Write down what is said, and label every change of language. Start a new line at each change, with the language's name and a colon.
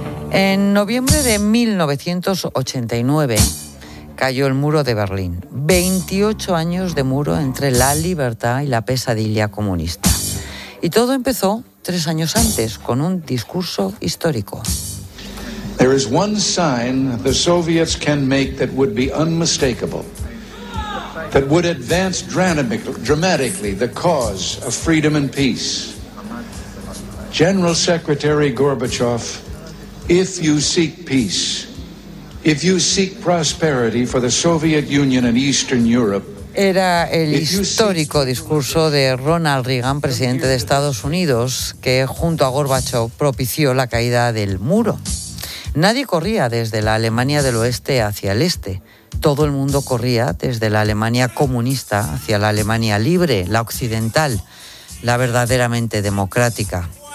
Spanish: En noviembre de 1989 cayó el muro de Berlín. 28 años de muro entre la libertad y la pesadilla comunista. Y todo empezó 3 años antes, con un discurso histórico.
English: There is one sign the Soviets can make that would be unmistakable, that would advance dramatically the cause of freedom and peace. General Secretary Gorbachev, if you seek peace, if you seek prosperity for the Soviet Union and Eastern Europe.
Spanish: Era el histórico discurso de Ronald Reagan, presidente de Estados Unidos, que junto a Gorbachev propició la caída del muro. Nadie corría desde la Alemania del Oeste hacia el Este. Todo el mundo corría desde la Alemania comunista hacia la Alemania libre, la occidental, la verdaderamente democrática.